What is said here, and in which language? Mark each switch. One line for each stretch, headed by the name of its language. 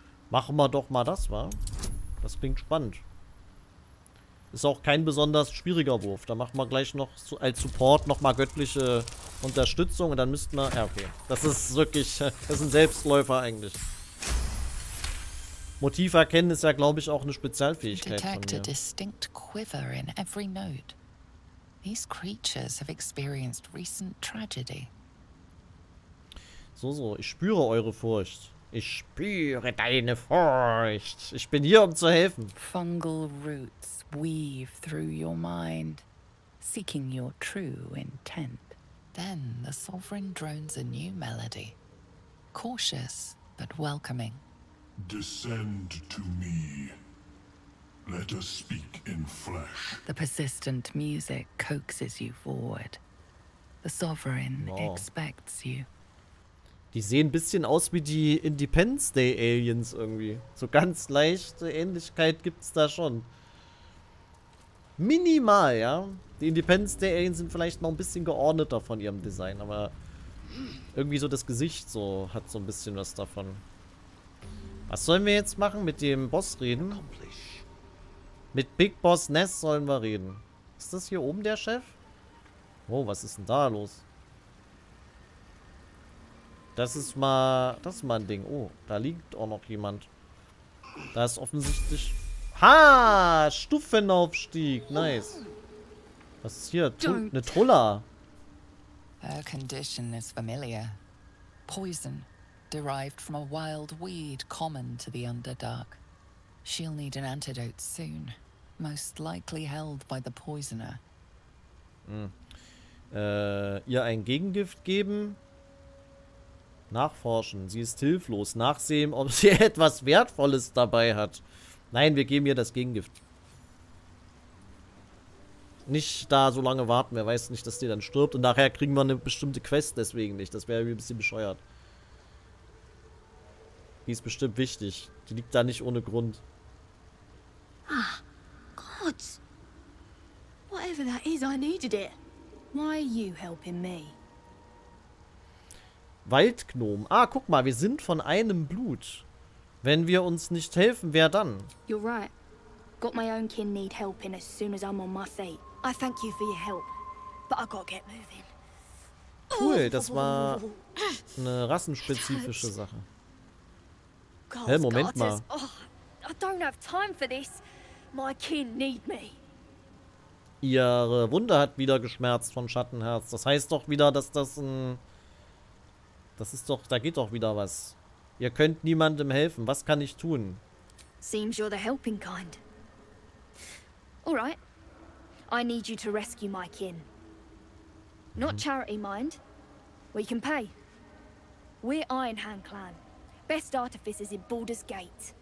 German: Machen wir doch mal das, wa? Das klingt spannend. Ist auch kein besonders schwieriger Wurf. Da machen wir gleich noch als Support nochmal göttliche Unterstützung. Und dann müssten wir... Ja, okay. Das ist wirklich... Das ist ein Selbstläufer eigentlich. Motiv erkennen ist ja, glaube ich, auch eine Spezialfähigkeit von mir.
English: Detect a distinct quiver in every note. These creatures have experienced recent tragedy.
German: So, so. Ich spüre eure Furcht. Ich spüre deine Furcht. Ich bin hier, um zu helfen.
English: Fungal roots weave through your mind, seeking your true intent. Then the sovereign drones a new melody, cautious but welcoming. Descend to me. Let us speak in flesh. The persistent music coaxes you forward. The sovereign expects you.
German: Die sehen ein bisschen aus wie die Independence Day Aliens irgendwie. So ganz leichte Ähnlichkeit gibt's da schon. Minimal, ja. Die Independence Day Aliens sind vielleicht noch ein bisschen geordneter von ihrem Design, aber irgendwie so das Gesicht so hat so ein bisschen was davon. Was sollen wir jetzt machen? Mit dem Boss reden? Mit Big Boss Ness sollen wir reden. Ist das hier oben der Chef? Oh, was ist denn da los? Das ist mal ein Ding. Oh, da liegt auch noch jemand. Da ist offensichtlich... Ha! Stufenaufstieg. Nice. Was ist hier? Eine Trulla.
English: Her condition is familiar. Poison, derived from a wild weed common to the Underdark. She'll need an antidote soon. Most likely held by the poisoner.
German: Ihr ein Gegengift geben. Nachforschen. Sie ist hilflos. Nachsehen, ob sie etwas Wertvolles dabei hat. Nein, wir geben ihr das Gegengift. Nicht da so lange warten. Wer weiß nicht, dass die dann stirbt. Und nachher kriegen wir eine bestimmte Quest deswegen nicht. Das wäre ein bisschen bescheuert. Die ist bestimmt wichtig. Die liegt da nicht ohne Grund. Ah, Gott.
English: Whatever that is, I needed it. Why are you helping me?
German: Waldgnom. Ah, guck mal, wir sind von einem Blut. Wenn wir uns nicht helfen, wer dann?
English: You're right. Got my own kin need helping as soon as I'm on my feet. I thank you for your help, but I gotta get moving.
German: Cool, das war eine rassenspezifische Sache. Hä, Moment mal.
English: I don't have time for this. My kin need me.
German: Ihre Wunde hat wieder geschmerzt von Schattenherz. Das heißt doch wieder, dass das ein... Das ist doch... Da geht doch wieder was. Ihr könnt niemandem helfen. Was kann ich tun?
English: Seems you're the helping kind. Alright. I need you to rescue my kin. Not charity, mind. We can pay. We're Ironhand Clan. Best artificers in Baldur's Gate.